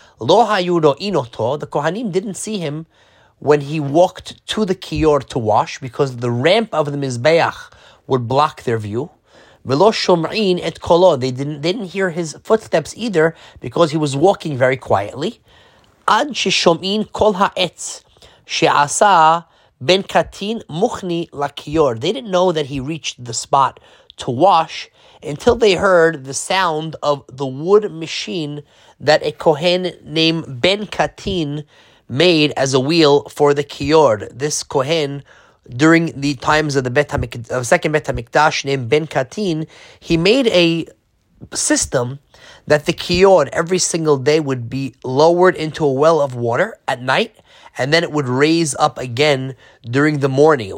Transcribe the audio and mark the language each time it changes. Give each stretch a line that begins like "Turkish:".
English: The Kohanim didn't see him when he walked to the kiyor to wash, because the ramp of the Mizbeach would block their view. They didn't hear his footsteps either, because he was walking very quietly.
Hebrew: עד ששומעין כל העץ שעשה בן קטין מוכני לכיור.
English: They didn't know that he reached the spot to wash until they heard the sound of the wood machine that a Kohen named Ben Katin made as a wheel for the Kiyor. This Kohen, during the times of the second Bet HaMikdash named Ben Katin, he made a system that the Kiyor every single day would be lowered into a well of water at night, and then it would raise up again during the morning.